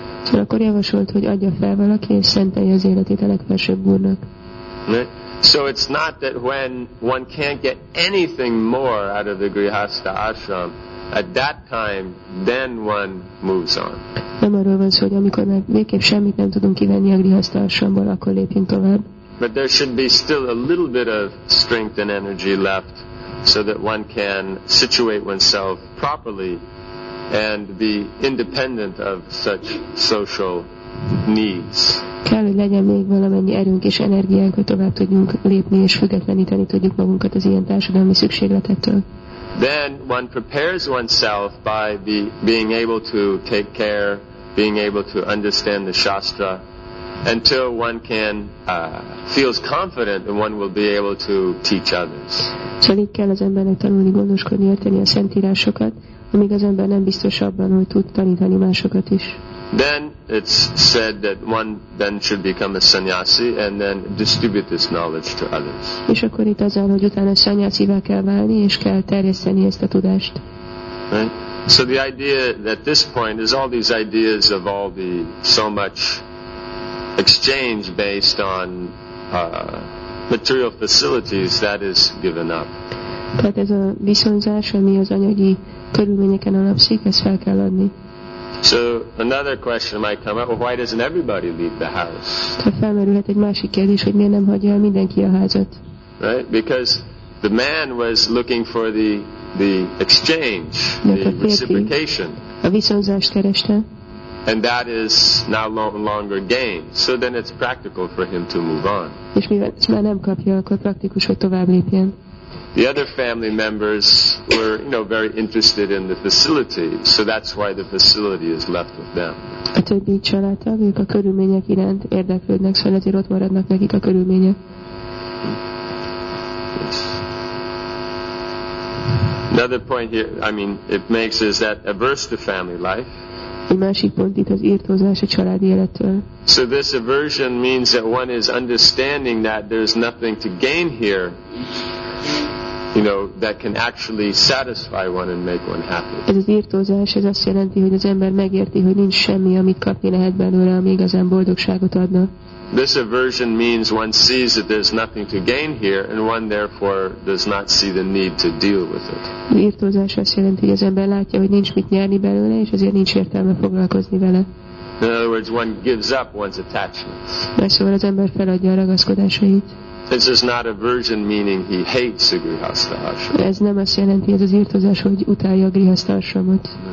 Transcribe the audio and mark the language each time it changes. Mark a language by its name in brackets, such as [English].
[Hungarian] Szóval akkor javasolt, hogy adja fel valaki és szentelje az életét a legfelsőbb úrnak. [English] So it's not that when one can't get anything more out of the grihastha ashram, at that time, then one moves on. [Hungarian] Nem arról van szó, hogy amikor már végképp semmit nem tudunk kivenni a grihastha ashramból, akkor lépjünk tovább. [English] But there should be still a little bit of strength and energy left so that one can situate oneself properly and be independent of such social needs. [Hungarian] Kell, hogy legyen még valamennyi erőnk és energiánk, hogy tovább tudjunk lépni és függetleníteni tudjuk magunkat az ilyen társadalmi szükségletektől. [English] Then one prepares oneself by being able to take care, being able to understand the shastra, until one can feels confident that one will be able to teach others. [Hungarian] Csak így kell az embernek tanulni, gondoskodni, érteni a szentírásokat, amíg az ember nem biztos abban, hogy tud tanítani másokat is. [English] Then it's said that one then should become a sannyasi and then distribute this knowledge to others. [Hungarian] És akkor itt az áll, hogy utána sannyasivá kell válni és kell terjeszteni ezt a tudást. [English] Right? So the idea at this point is all these ideas of all the so much exchange based on material facilities that is given up. [Hungarian] Tehát ez a viszonzás, ami az anyagi körülményeken alapszik, ezt fel kell adni. [English] So another question might come up, well, why doesn't everybody leave the house? [Hungarian] Tehát felmerülhet egy másik kérdés, hogy miért nem hagyja el mindenki a házat. [English] Right? Because the man was looking for the exchange, the reciprocation. [Hungarian] A viszonzást kereste. [English] And that is now no longer gained. So then it's practical for him to move on. [Hungarian] És mivel ezt már nem kapja, akkor praktikus, hogy tovább lépjen. [English] The other family members were, you know, very interested in the facility, so that's why the facility is left with them. [Hungarian] A többi családtag, ők a körülmények iránt érdeklődnek, szóval ezért ott maradnak nekik a körülmények. [English] Another point here, I mean, it makes is that averse to family life. [Hungarian] A másik pont itt az irtózás a családi élettől. [English] So this aversion means that one is understanding that there's nothing to gain here. You know, that can actually satisfy one and make one happy. [Hungarian] Ez az írtózás, ez azt jelenti, hogy az ember megérti, hogy nincs semmi, amit kapni lehet belőle, ami igazán boldogságot adna. [English] This aversion means one sees that there's nothing to gain here, and one therefore does not see the need to deal with it. [Hungarian] Az írtózás azt jelenti, hogy az ember látja, hogy nincs mit nyerni belőle, és ezért nincs értelme foglalkozni vele. [English] In other words, one gives up one's attachments. [Hungarian] Mert szóval az ember feladja a ragaszkodásait. [English] This is not aversion, meaning he hates the grihastha ashram. [Hungarian] Ez nem azt jelenti, ez az írtozás, hogy utálja a grihastha ashramot.